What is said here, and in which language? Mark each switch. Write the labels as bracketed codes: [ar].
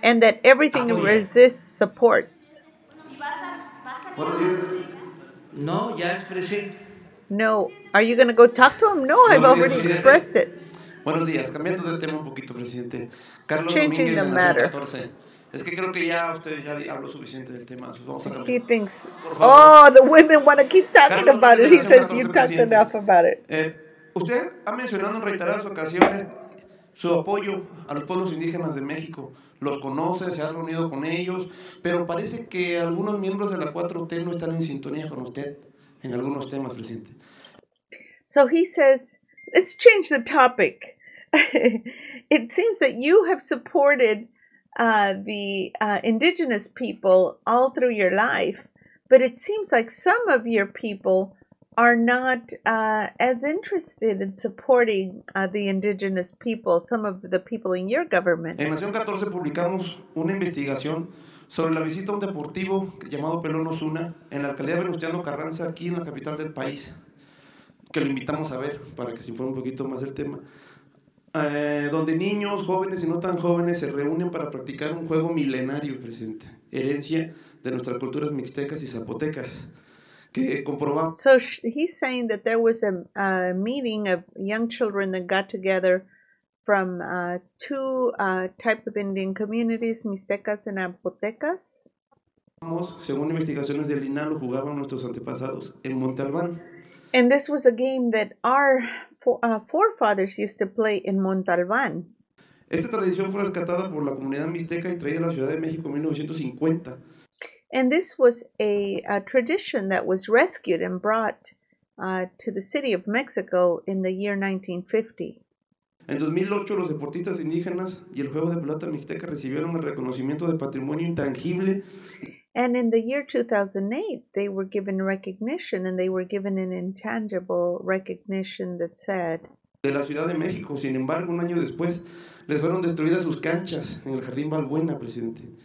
[en] and that everything you resist supports. [es] No, ya expresé. [en] No, are you going to go talk to him? No, I've already expressed it. [es] Buenos días, cambiando de tema un poquito, presidente. Carlos Changing Domínguez, de Nación 14. Es que creo que ya usted ya habló suficiente del tema. Vamos a cambiar. [en] He thinks, the women want to keep talking about it. He says, you've talked enough about it. [es] Usted ha mencionado en reiteradas ocasiones su apoyo a los pueblos indígenas de México. Los conoce, se ha reunido con ellos, pero parece que algunos miembros de la 4T no están en sintonía con usted en algunos temas, presidente. [en] So he says, let's change the topic. It seems that you have supported the indigenous people all through your life, but it seems like some of your people are not as interested in supporting the indigenous people, some of the people in your government. [es] En Nación 14 publicamos una investigación sobre la visita a un deportivo llamado Pelón Osuna en la alcaldía Venustiano Carranza, aquí en la capital del país. Que lo invitamos a ver para que se informe un poquito más del tema, donde niños, jóvenes y no tan jóvenes se reúnen para practicar un juego milenario, presidente, herencia de nuestras culturas mixtecas y zapotecas, que comprobamos. [en] So he's saying that there was a meeting of young children that got together from two type of Indian communities, [es] mixtecas y zapotecas. Según investigaciones del INAH, lo jugaban nuestros antepasados en Monte Albán. [en] And this was a game that our forefathers used to play in Montalbán. [es] Esta tradición fue rescatada por la comunidad mixteca y traída a la Ciudad de México en 1950. [en] And this was a tradition that was rescued and brought to the city of Mexico in the year 1950. [es] En 2008, los deportistas indígenas y el juego de pelota mixteca recibieron el reconocimiento de patrimonio intangible. [en] And in the year 2008, they were given recognition, and they were given an intangible recognition that said. [es] De la Ciudad de México. Sin embargo, un año después, les fueron destruidas sus canchas en el Jardín Balbuena, presidente.